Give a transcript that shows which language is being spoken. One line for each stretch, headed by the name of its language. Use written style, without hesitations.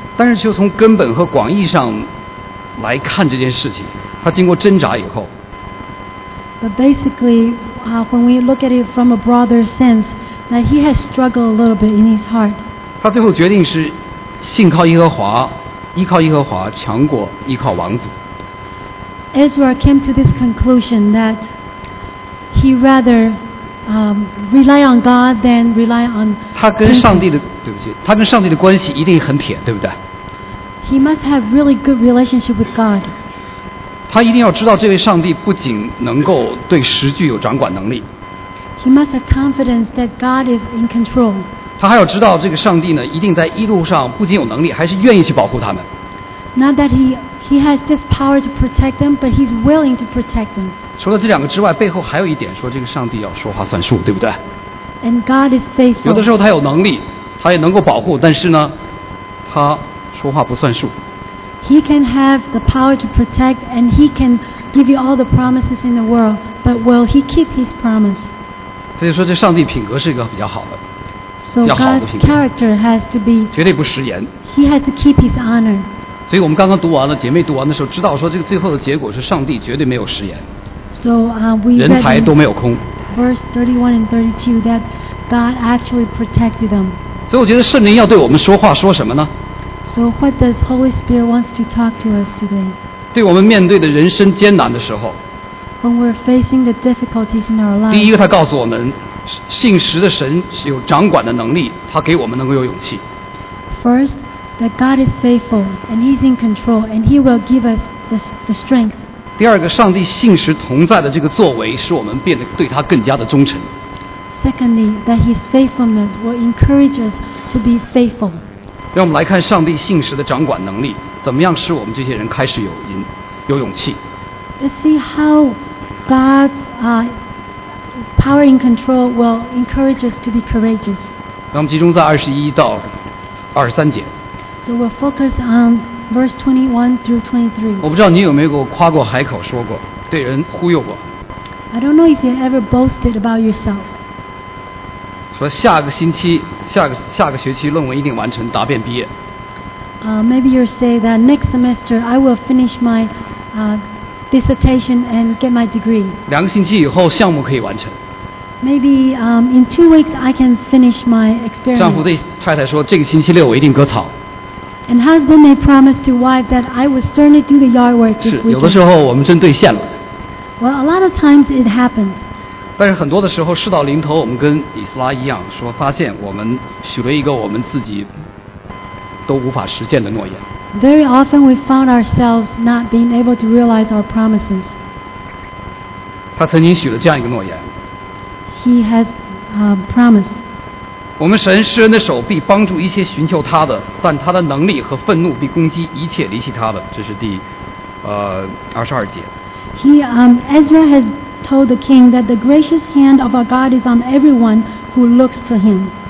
Chinese: 但是就从根本和广义上来看这件事情，他经过挣扎以后。
English: But basically, when we look at it from a broader sense, that he has struggled a little bit in his heart.
Chinese: 他最后决定是信靠耶和华，依靠耶和华强过依靠王子。
English: Ezra came to this conclusion that he rather rely on God than rely on.
Chinese: 他跟上帝的对不起，他跟上帝的关系一定很铁，对不对
English: ？He must have really good relationship with God.
Chinese: 他一定要知道这位上帝不仅能够对时局有掌管能力。
English: He must have confidence that God is in control.
Chinese: 他还要知道这个上帝呢，一定在一路上不仅有能力，还是愿意去保护他们。
English: Not that he has this power to protect them, but he's willing to protect them.
Chinese: 除了这两个之外，背后还有一点，说这个上帝要说话算数，对不对？
English: And God is faithful.
Chinese: 有的时候他有能力，他也能够保护，但是呢，他说话不算数。
English: He can have the power to protect, and he can give you all the promises in the world, but will he keep his promise?
Chinese: 所以说，这上帝品格是一个比较好的。
English: So God's character has to be.
Chinese: 绝对不食言。
English: He has to keep his honor.
Chinese: 所以我们刚刚读完了，姐妹读完的时候，知道说这个最后的结果是上帝绝对没有食言。
English: So we.
Chinese: 人才都没有空。
English: Verse 31 and 32 that God actually protected them.
Chinese: 所以我觉得圣灵要对我们说话，说什么呢？
English: So what does Holy Spirit wants to talk to us today?
Chinese: 对我们面对的人生艰难的时候。
English: When we're facing the difficulties in our life.
Chinese: 第一个，他告诉我们，信实的神有掌管的能力，他给我们能够有勇气。
English: First, that God is faithful and He's in control and He will give us the strength.
Chinese: 第二个，上帝信实同在的这个作为，使我们变得对他更加的忠诚。
English: Secondly, that His faithfulness will encourage us to be faithful.
Chinese: 让我们来看上帝信实的掌管能力，怎么样使我们这些人开始有勇气。
English: Let's see how God's power and control will encourage us to be courageous.
Chinese: 让我们集中在21-23节。
English: So we'll focus on verse 21-23.
Chinese: 我不知道你有没有夸过海口，说过对人忽悠过。
English: I don't know if you ever boasted about yourself.
Chinese: 说下个星期下个学期论文一定完成，答辩毕业。
English: Maybe you say that next semester I will finish my dissertation and get my degree.
Chinese: 两个星期以后项目可以完成。
English: Maybe in 2 weeks I can finish my experiment.
Chinese: 丈夫对太太说，这个星期六我一定割草。
English: And husband may promise to wife that I will certainly do the yard work this week.
Chinese: 是，有的时候我们真兑现了。
English: Well, a lot of times it happens.
Chinese: 但是很多的时候事到临头，我们跟以斯拉一样，说发现我们许了一个我们自己都无法实现的诺言。
English: Very often we found ourselves not being able to realize our promises.
Chinese: 他曾经许了这样一个诺言。
English: He has promised.
Chinese: 我们神施恩的手必帮助一切寻求他的，但他的能力和愤怒必攻击一切离弃他的。这是第22节。
English: Ezra has. Told the king that the gracious hand of our God is on everyone who looks to him.